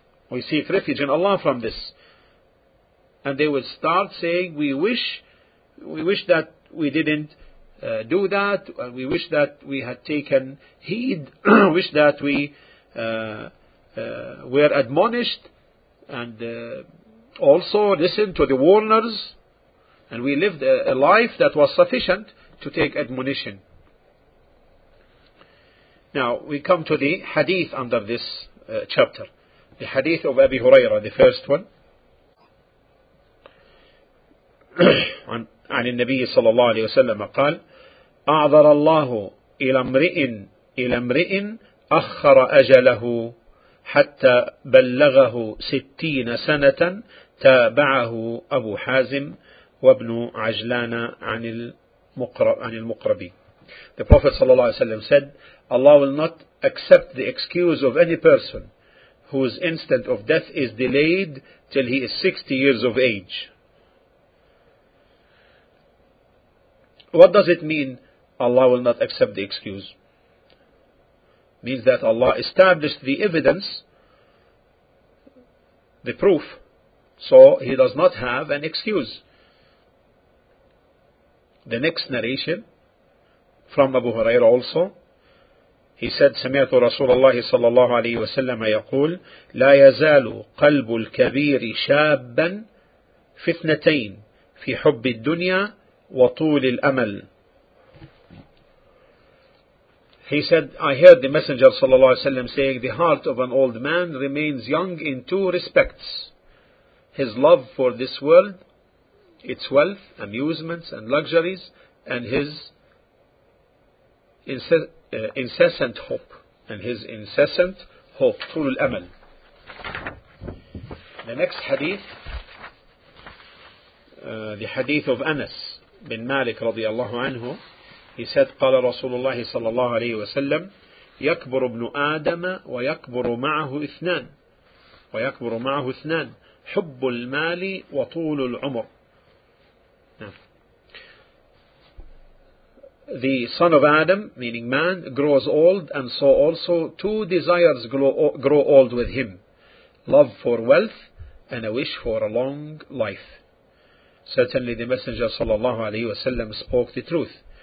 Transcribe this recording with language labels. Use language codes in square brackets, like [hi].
[en] We seek refuge in Allah from this. And they will start saying, we wish that we didn't do that, and we wish that we had taken heed, wish that we were admonished, and also listened to the warners, and we lived a life that was sufficient to take admonition. Now, we come to the hadith under this chapter, the hadith of Abi Huraira, the first one. [ar] عن النبي صلى الله عليه وسلم قال أعذر الله إلى امرئ أخر أجله حتى بلغه 60 سنة تابعه أبو حازم وابن عجلان عن المقربي. [en] The Prophet [ar] صلى الله عليه وسلم [en] said, Allah will not accept the excuse of any person whose instant of death is delayed till he is 60 years of age. What does it mean, Allah will not accept the excuse? Means that Allah established the evidence, the proof, so He does not have an excuse. The next narration, from Abu Huraira also, he said, [ar] سمعت رسول الله صلى الله عليه وسلم يقول لا يزال قلب الكبير شابا في اثنتين في حب الدنيا وطول الأمل. [en] He said, I heard the Messenger sallallahu alaihi wasallam saying, the heart of an old man remains young in two respects: his love for this world, its wealth, amusements and luxuries, and his incessant hope. And his incessant hope, [ar] طول الأمل. [en] The next hadith, the hadith of Anas بن مالك [ar] رضي الله عنه. [en] He said, [ar] قال رسول الله صلى الله عليه وسلم يكبر ابن آدم ويكبر معه اثنان حب المال وطول العمر. [en] The son of Adam, meaning man, grows old, and so also two desires grow old with him: love for wealth and a wish for a long life. Certainly the Messenger sallallahu alayhi wa sallam spoke the truth.